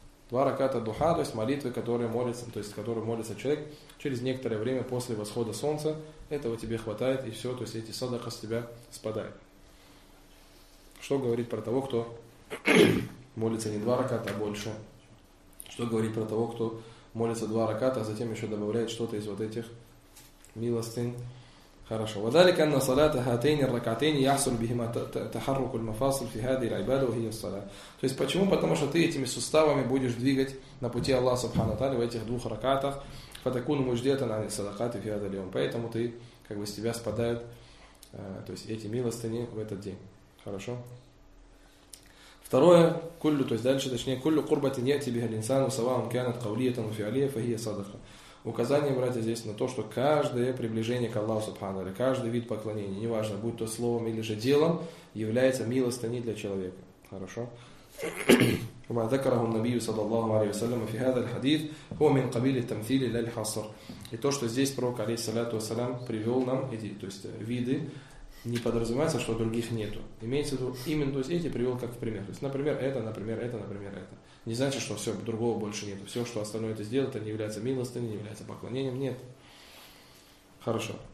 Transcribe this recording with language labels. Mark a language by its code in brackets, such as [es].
[ru] Два раката духа, то есть молитвы, которые молится, то есть которые молится человек через некоторое время после восхода солнца, этого тебе хватает, и все, то есть эти садака с тебя спадают. Что говорит про того, кто молится не два раката, а больше? Что говорит про того, кто молится два раката, а затем еще добавляет что-то из вот этих милостын? Хорошо. [ar] وذلك أن صلاة هاتين الركعتين يحصل بهما تحرك المفاصل في هذه العبادة وهي الصلاة. [ru] То есть почему? Потому что ты этими суставами будешь двигать на пути Аллаха Субхана Тааля в этих двух ракатах. [ar] فتكون مجديتا عن الصدقات في هذا اليوم. [ru] Поэтому ты, как бы, с тебя спадают, то есть эти милостыни в этот день. Хорошо. [ar] Второе, كله, [ru] то есть дальше, точнее, [ar] كل قربة يأتي بها الإنسان سواء كانت قولية أو فعلية فهي صدقة. [ru] Указание, братья, здесь на то, что каждое приближение к Аллаху Субхану или каждый вид поклонения, неважно, будь то словом или же делом, является милостыней для человека. Хорошо? [ar] وما ذكره النبي صلى الله عليه وسلم في هذا الحديث هو من قبيل التمثيل لا الحصر. [ru] И то, что здесь пророк, алейхиссалату вассалям, привел нам эти, то есть, виды, не подразумевается, что других нету. Имеется в виду, именно то есть эти привел как пример. То есть, например, это, например, это, например, это. Не значит, что все, другого больше нету. Все, что остальное ты сделал, это не является милостыней, не является поклонением. Нет. Хорошо.